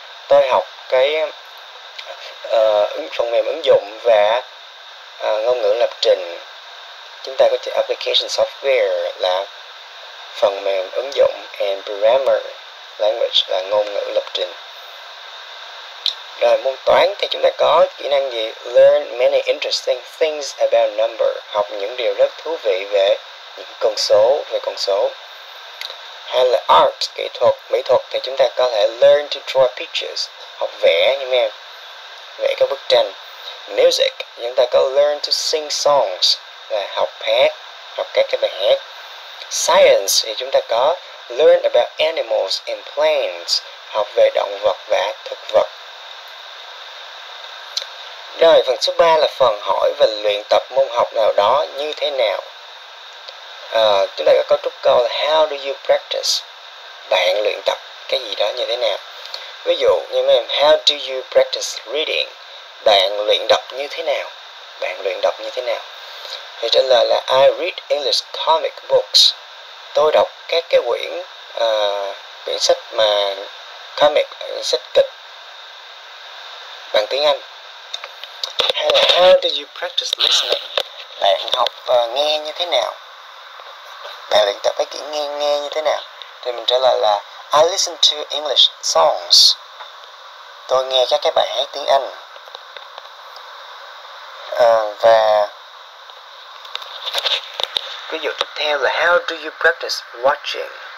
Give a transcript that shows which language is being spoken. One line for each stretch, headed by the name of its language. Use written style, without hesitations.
Vietnamese: Tôi học cái phần mềm ứng dụng và ngôn ngữ lập trình. Chúng ta có chữ application software là phần mềm ứng dụng
English: and programmer language
Vietnamese: là ngôn ngữ lập trình. Rồi môn toán thì chúng ta có kỹ năng gì?
English: Learn many interesting things about number.
Vietnamese: Học những điều rất thú vị về những con số, về con số. Hay là art, kỹ thuật, mỹ thuật thì chúng ta có thể
English: learn to draw pictures.
Vietnamese: Học vẽ như mẹ, vẽ các bức tranh. Music, chúng ta có
English: learn to sing songs.
Vietnamese: Là học hát, học các cái bài hát. Science thì chúng ta có
English: learn about animals and plants.
Vietnamese: Học về động vật và thực vật. Rồi, phần số 3 là phần hỏi và luyện tập môn học nào đó như thế nào. Chúng ta có cấu trúc câu là
English: How do you practice?
Vietnamese: Bạn luyện tập cái gì đó như thế nào? Ví dụ như mấy em,
English: How do you practice reading?
Vietnamese: Bạn luyện đọc như thế nào? Bạn luyện đọc như thế nào? Thì trả lời là
English: I read English comic books.
Vietnamese: Tôi đọc các cái quyển quyển sách mà comic, sách kịch bằng tiếng Anh.
English: How do you practice listening?
Vietnamese: Bạn học và nghe như thế nào? Bạn luyện tập cái kiểu nghe nghe như thế nào? Thì mình trả lời là
English: I listen to English songs.
Vietnamese: Tôi nghe các cái bài hát tiếng Anh. Và ví dụ tiếp theo là
English: How do you practice watching?